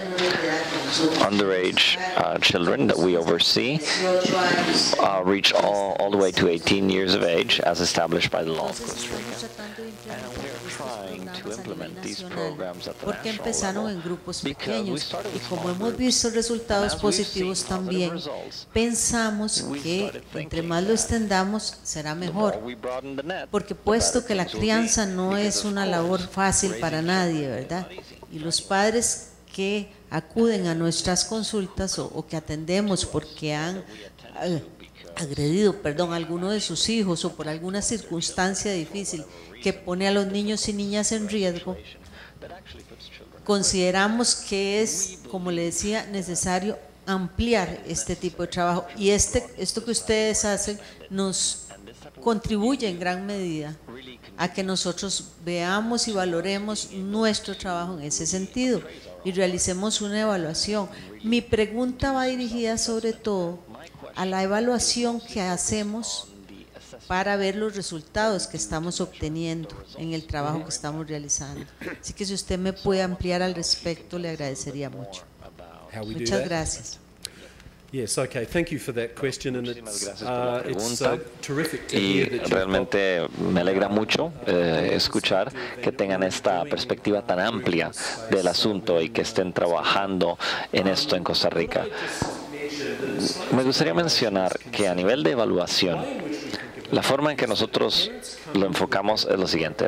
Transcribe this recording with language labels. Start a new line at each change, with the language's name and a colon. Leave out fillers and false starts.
English: Underage children that we oversee reach all the way to 18 years of age as established by the law of Costa Rica. And we are trying to implement these programs at the national level.
Spanish: Positivos también. Pensamos que entre más lo extendamos será mejor, porque puesto que la crianza no es una labor fácil para nadie, ¿verdad? Y los padres que acuden a nuestras consultas o que atendemos porque han agredido, perdón, a alguno de sus hijos o por alguna circunstancia difícil que pone a los niños y niñas en riesgo, consideramos que es, como le decía, necesario ampliar este tipo de trabajo, y esto que ustedes hacen nos contribuye en gran medida a que nosotros veamos y valoremos nuestro trabajo en ese sentido y realicemos una evaluación. Mi pregunta va dirigida sobre todo a la evaluación que hacemos para ver los resultados que estamos obteniendo en el trabajo que estamos realizando. Así que si usted me puede ampliar al respecto, le agradecería mucho.
English: How we
Spanish: Muchas
English: do that.
Spanish: Gracias.
English: Yes, okay. Thank you for that question, and it's terrific to hear.
Spanish: Y realmente me alegra mucho escuchar que tengan esta perspectiva tan amplia del asunto y que estén trabajando en esto en Costa Rica. Me gustaría mencionar que a nivel de evaluación, la forma en que nosotros lo enfocamos es lo siguiente.